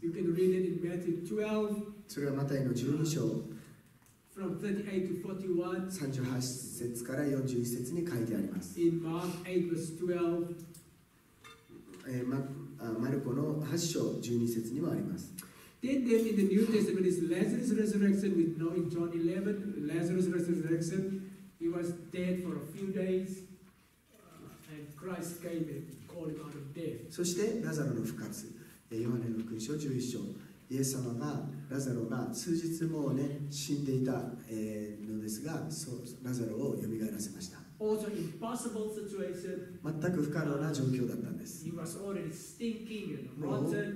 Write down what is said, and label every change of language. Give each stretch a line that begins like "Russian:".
English: You can read it in Matthew 12.
Japanese: それはマタイの12章。
English: From 38 to 41.
Japanese: 38節から41節に書いてあります。
English: In Mark 8 verse 12.
Japanese: マルコの8章12節にもあります。
English: Then in the New Testament is Lazarus' resurrection. We know in John 11, Lazarus' resurrection. He was dead for a few days, and Christ came and called him out of death.
Japanese: そしてラザロの復活、ヨハネの福音書11章、イイエス様がラザロが数日もね死んでいたのですが、そうラザロを蘇らせました。全く不可能な状況だったんです。もう